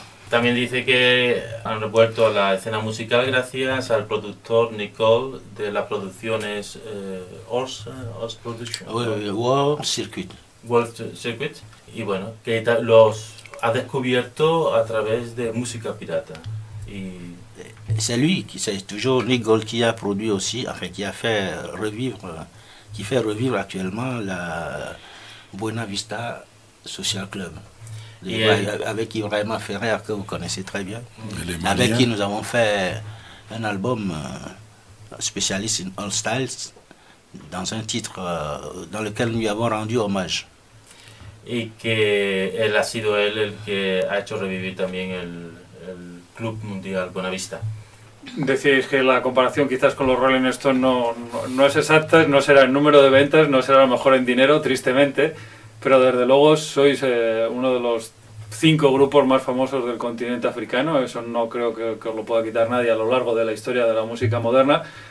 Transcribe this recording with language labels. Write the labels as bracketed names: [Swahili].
[Spanish] También dice que han revuelto a la escena musical gracias al productor Nicole de las producciones Ors Production. [English] World Circuit. World Circuit. [Spanish] Y bueno, que los ha descubierto a través de música pirata. Y [French] c'est lui, c'est toujours Nicole qui a produit aussi, enfin qui a fait revivre, qui fait revivre actuellement la Buena Vista Social Club. Avec Ibrahima Ferrer, que vous connaissez très bien, avec qui nous avons fait un album spécialiste [English] in all styles, [French] dans un titre dans lequel nous lui avons rendu hommage. Et [Spanish] que él ha sido él el que ha hecho revivir también el Club Mundial Buena Vista. Decíais que la comparación quizás con los Rolling Stones no es exacta, no será en número de ventas, no será a lo mejor en dinero, tristemente. Pero desde luego sois uno de los cinco grupos más famosos del continente africano, eso no creo que os lo pueda quitar nadie a lo largo de la historia de la música moderna.